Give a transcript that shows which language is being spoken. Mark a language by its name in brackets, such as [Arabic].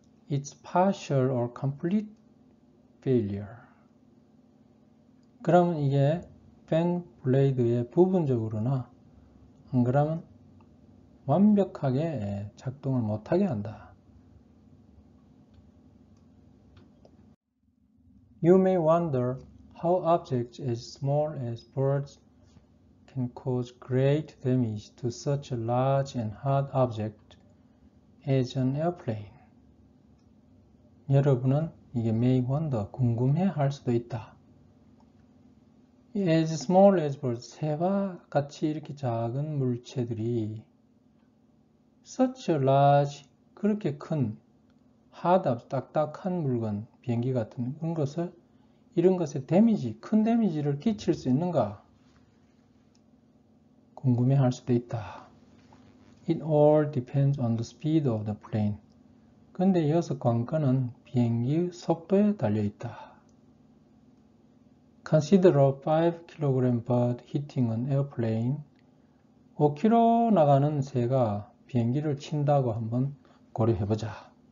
[English] It's partial or complete failure. [Korean] 그러면 이게 팬 블레이드의 부분적으로나, 안 그러면 완벽하게 작동을 못하게 한다. [English] You may wonder how objects as small as birds can cause great damage to such a large and hard object as an airplane. [Korean] 여러분은 이게 [English] may wonder, [Korean] 궁금해 할 수도 있다. [English] As small as birds, [Korean] 새와 같이 이렇게 작은 물체들이 [English] such a large, [Korean] 그렇게 큰 [English] hard object, [Korean] 딱딱한 물건, 비행기 같은 그런 것을 이런 것에 데미지, 큰 데미지를 끼칠 수 있는가? 궁금해 할 수도 있다. [English] It all depends on the speed of the plane. [Korean] 근데 여기서 관건은 비행기의 속도에 달려 있다. [English] Consider a 5kg bird hitting an airplane. [Korean] 5km 나가는 새가 비행기를 친다고 한번 고려해 보자.